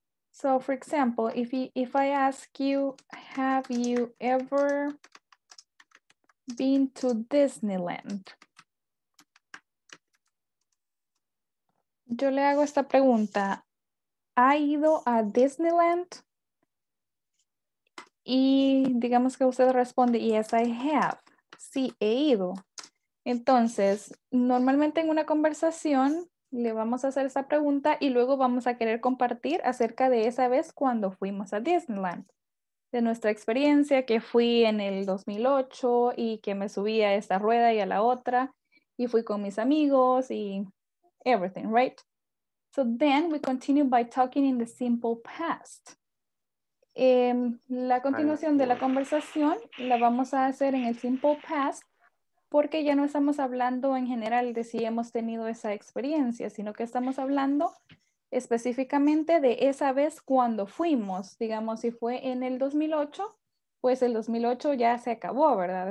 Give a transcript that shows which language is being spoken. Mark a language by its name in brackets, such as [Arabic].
[English] So for example, if I ask you, have you ever been to Disneyland? [Spanish] Yo le hago esta pregunta, ¿ha ido a Disneyland? Y digamos que usted responde, yes, I have. Sí, he ido. Entonces, normalmente en una conversación le vamos a hacer esa pregunta y luego vamos a querer compartir acerca de esa vez cuando fuimos a Disneyland. De nuestra experiencia que fui en el 2008 y que me subí a esta rueda y a la otra y fui con mis amigos y everything, right? [English] So then we continue by talking in the simple past. [Spanish] La continuación de la conversación la vamos a hacer en el simple past porque ya no estamos hablando en general de si hemos tenido esa experiencia, sino que estamos hablando específicamente de esa vez cuando fuimos. Digamos, si fue en el 2008, pues el 2008 ya se acabó, ¿verdad?